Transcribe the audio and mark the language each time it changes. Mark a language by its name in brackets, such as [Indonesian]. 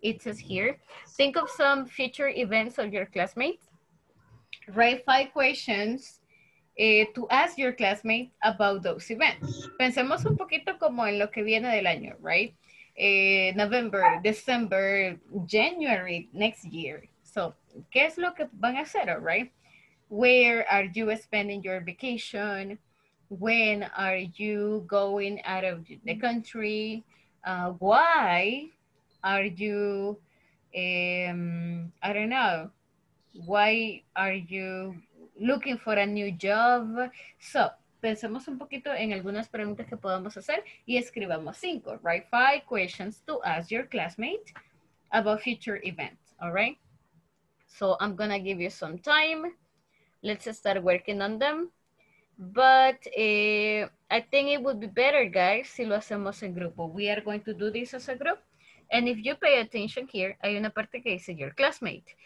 [English] It says here, think of some future events of your classmates. Write five questions to ask your classmate about those events. [Spanish] Pensemos un poquito como en lo que viene del año, right? [English] November, December, January, next year. [Spanish] So, ¿qué es lo que van a hacer, all right? [English] Where are you spending your vacation? When are you going out of the country? Why are you, I don't know, why are you looking for a new job? [Spanish] So, pensemos un poquito en algunas preguntas que podamos hacer y escribamos cinco, right? [English] Five questions to ask your classmate about future events, all right? So I'm gonna give you some time. Let's start working on them. But I think it would be better, guys, [Spanish] si lo hacemos en grupo. [English] We are going to do this as a group. And if you pay attention here, [Spanish] hay una parte que dice [English] your classmate.